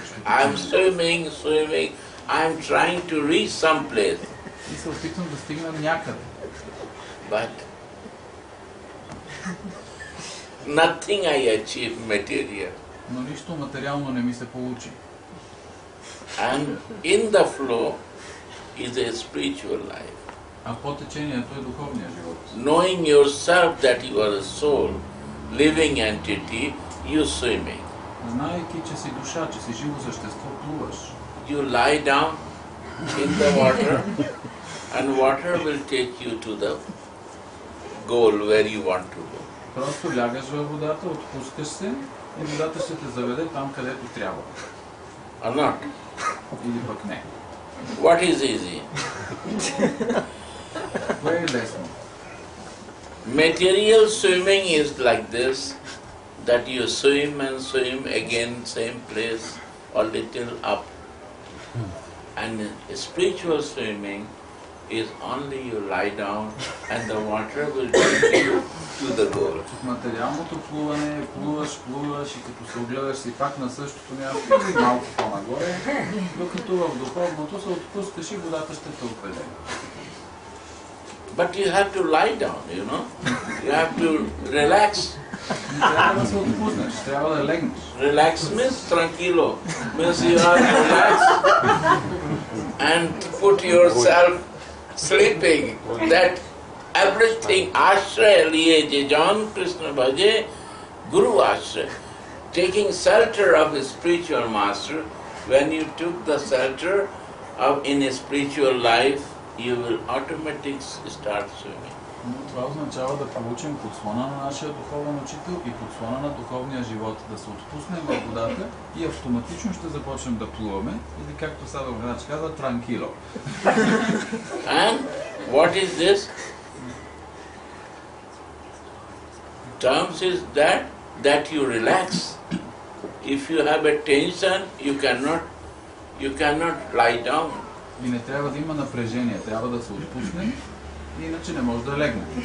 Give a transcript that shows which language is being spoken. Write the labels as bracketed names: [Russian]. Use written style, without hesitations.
[English] I'm swimming. I'm trying to reach some place. [Bulgarian] И се опитвам да стигна някъде. [English] But nothing I achieve material. [Bulgarian] Но нищо материално не ми се получи. [English] And in the flow is a spiritual life. [Bulgarian] А по течението е духовния живот. [English] Knowing yourself that you are a soul, living entity, you swimming. [Bulgarian] Знаеки, че си душа, че си живо същество, плуваш. [English] You lie down in the water and water will take you to the goal where you want to go. [Bulgarian] Просто лягаш във водата, отпускаш се и водата ще те заведе там, където трябва. [English] Or not? [Bulgarian] Или пък не. [English] What is easy? [Bulgarian] Кое е лесно? [English] Material swimming is like this, that you swim and swim again same place or little up. And spiritual swimming is only you lie down and the water will take you to the goal. [Bulgarian] Материалното плуване, плуваш и като се огледаш си пак на същото място, малко по-нагоре, докато в духовното се отпускаш и водата ще те опеде. [English] But you have to lie down, you know. You have to relax. Relax means tranquilo. Means you are relaxed and put yourself sleeping. That everything ashray liye jijan Krishna bhaje guru ashray. Taking shelter of a spiritual master, when you took the shelter of in a spiritual life, you will automatically start swimming. [Bulgarian] Но това означава да получим подслона на нашия духовен учител и подслона на духовния живот, да се отпуснем във водата и автоматично ще започнем да плуваме, или както Садо Грач каза, транкило. [English] And what is this? Terms is that you relax. If you have a tension, you cannot lie down. [Bulgarian] И не трябва да има напрежение, трябва да се отпуснем, иначе не може да легне.